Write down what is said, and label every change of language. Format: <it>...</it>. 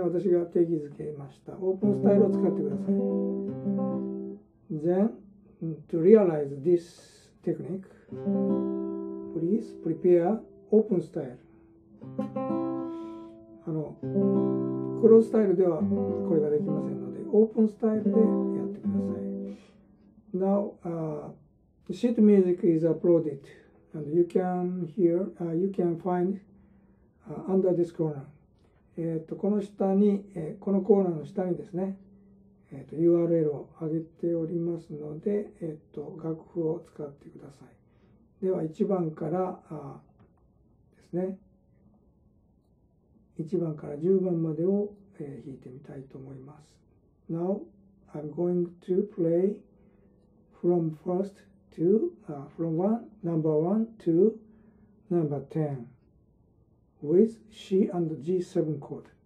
<ja>私が定義づけましたオープンスタイルを使ってください。</ja> <en>Then, to realize this technique, please prepare open style.</en> <ja>クロススタイルではこれができませんので、オープンスタイルでやってください。</ja> <en>Now, sheet music is uploaded and you can hear, you can find under this corner.</en> <ja>この下に、このコーナーの下にですね、URL を上げておりますので、楽譜を使ってください。では、1番からですね。1番から10番までを弾いてみたいと思います。</ja> <en>Now, I'm going to play from first to, from one, number one to number ten with C and G7 chord.</en>